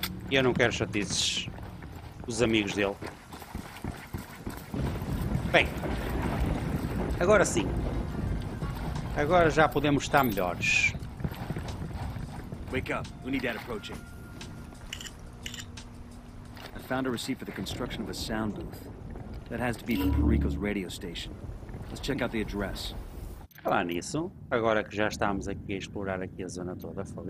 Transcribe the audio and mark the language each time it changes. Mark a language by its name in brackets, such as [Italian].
[Portuguese] E eu não quero chatices os amigos dele. Bem, agora sim. Agora já podemos estar melhores. [English] Wake up. We need that approaching. I found a receipt for the construction of a sound booth. That has to be for Perico's radio station. Let's check out the address. [Portuguese] Falar nisso, agora que já estamos aqui a explorar aqui a zona toda, fogo.